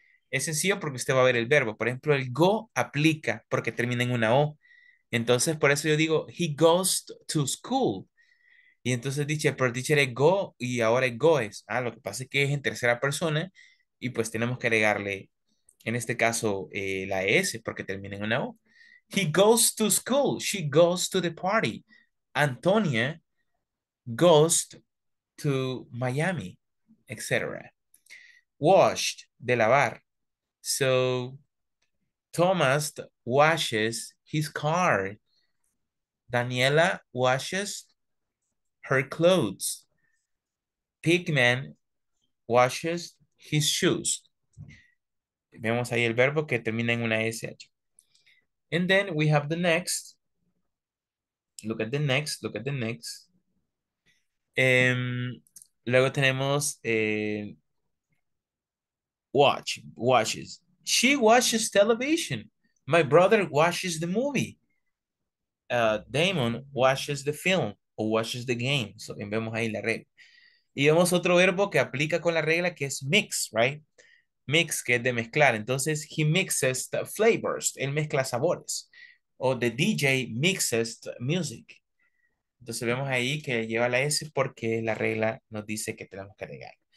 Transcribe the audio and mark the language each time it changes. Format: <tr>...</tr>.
<es>Es sencillo porque usted va a ver el verbo. Por ejemplo, el go aplica porque termina en una O. Entonces, por eso yo digo,</es> <en>he goes to school.</en> <es>Y entonces dice, pero teacher es go y ahora es goes. Ah, lo que pasa es que es en tercera persona y pues tenemos que agregarle, en este caso, la S porque termina en una O.</es> <en>He goes to school. She goes to the party. Antonia goes to Miami, etc. Washed,</en> <es>de lavar.</es> <en>So, Thomas washes his car. Daniela washes her clothes. Pigman washes his shoes.</en> <es>Vemos ahí el verbo que termina en una SH.</es> <en>And then we have the next. Look at the next, look at the next.</en> <es>Luego tenemos washes.</es> <en>She watches television. My brother watches the movie. Damon watches the film or watches the game.</en> <es>So vemos ahí la regla. Y vemos otro verbo que aplica con la regla que es mix, right? Mix, que es de mezclar. Entonces,</es> <en>he mixes the flavors.</en> <es>Él mezcla sabores.</es> <en>O the DJ mixes the music.</en> <es>Entonces, vemos ahí que lleva la S porque la regla nos dice que tenemos que agregar.</es>